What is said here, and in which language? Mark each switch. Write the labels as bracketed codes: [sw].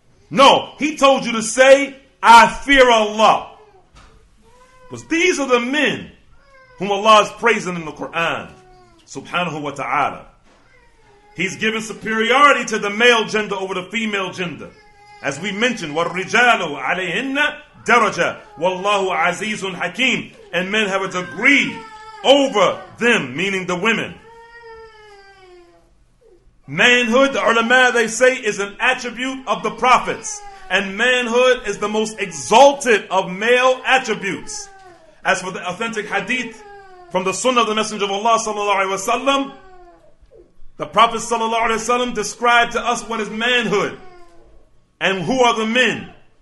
[en] No, he told you to say, I fear Allah. Because these are the men whom Allah is praising in the Quran. Subhanahu wa ta'ala. He's given superiority to the male gender over the female gender. As we mentioned, [ar] وَالرِّجَالُ عَلَيْهِنَّ دَرَجَةً وَاللَّهُ عَزِيزٌ حَكِيمٌ. [en] And men have a degree over them, meaning the women. Manhood, the ulama, they say, is an attribute of the prophets. And manhood is the most exalted of male attributes. As for the authentic hadith from the sunnah of the Messenger of Allah sallallahu alaihi wasallam, the Prophet sallallahu alaihi wasallam described to us what is manhood and who are the men.